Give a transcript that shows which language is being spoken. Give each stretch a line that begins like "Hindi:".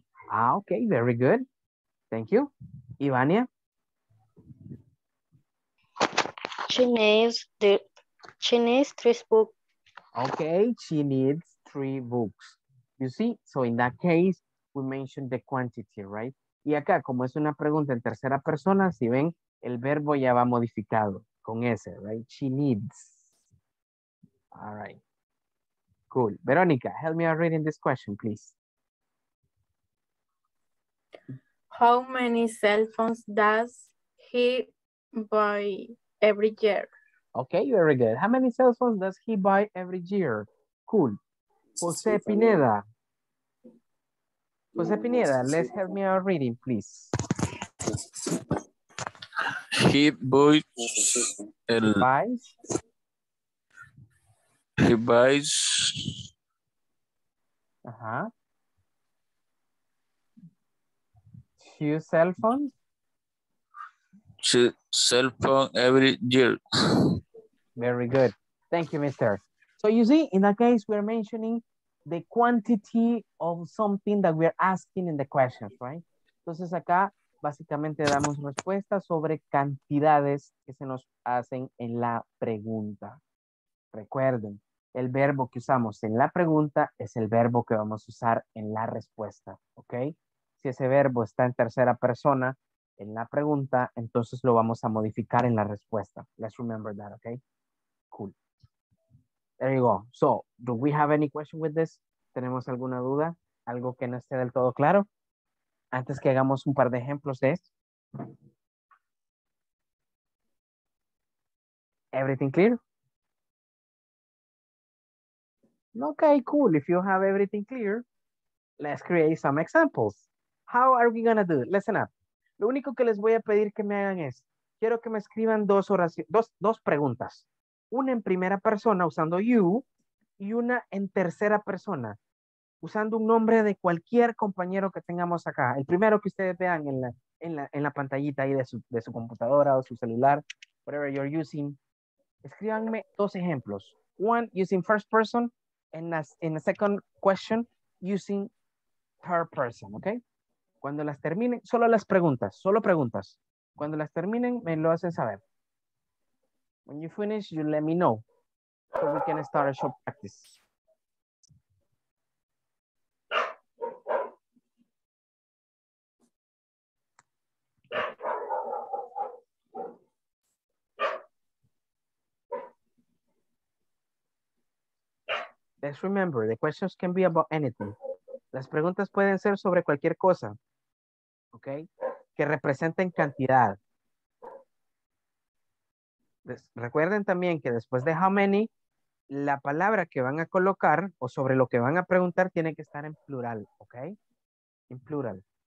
English: Ah, okay, very good. Thank you. Ivania? She needs 3 books. Okay, she needs 3 books. You see? So in that case, we mentioned the quantity, right?
Spanish: Y acá, como es una pregunta en tercera persona, si ven, el verbo ya va modificado con ese, right?
English: She needs. All right, cool. Veronica, help me out reading this question, please. How many cell phones does he buy every year? Okay, very good. How many cell phones does he buy every year? Cool. Jose Pineda. Jose Pineda, let's help me out reading, please. He buys... He buys few cell phones. Two cell phone every year. Very good. Thank you, mister. So you see, in that case, we're mentioning the quantity of something that we're asking in the questions, right?
Spanish: Entonces acá, básicamente damos respuestas sobre cantidades que se nos hacen en la pregunta. Recuerden. El verbo que usamos en la pregunta es el verbo que vamos a usar en la respuesta, ¿ok? Si ese verbo está en tercera persona en la pregunta, entonces lo vamos a modificar en la respuesta.
English: Let's remember that, ¿ok? Cool. There you go. So, do we have any question with this?
Spanish: ¿Tenemos alguna duda? ¿Algo que no esté del todo claro? Antes que hagamos un par de ejemplos de esto.
English: Everything clear? Okay, cool. If you have everything clear, let's create some examples. How are we gonna do it? Listen up.
Spanish: Lo único que les voy a pedir que me hagan es, quiero que me escriban dos preguntas. Una en primera persona usando you y una en tercera persona usando un nombre de cualquier compañero que tengamos acá. El primero que ustedes vean en la pantallita ahí de su computadora o su celular,
English: whatever you're using.
Spanish: Escríbanme dos ejemplos.
English: One using first person. In the second question, using third person, okay?
Spanish: Cuando las terminen, solo las preguntas, solo preguntas. Cuando las terminen, me lo hacen saber.
English: When you finish, you let me know. So we can start a short practice. Let's remember, the questions can be about anything.
Spanish: Las preguntas pueden ser sobre cualquier cosa, ¿ok? Que representen cantidad. Recuerden también que después de how many, la palabra que van a colocar o sobre lo que van a preguntar tiene que estar en plural, ¿ok? En plural.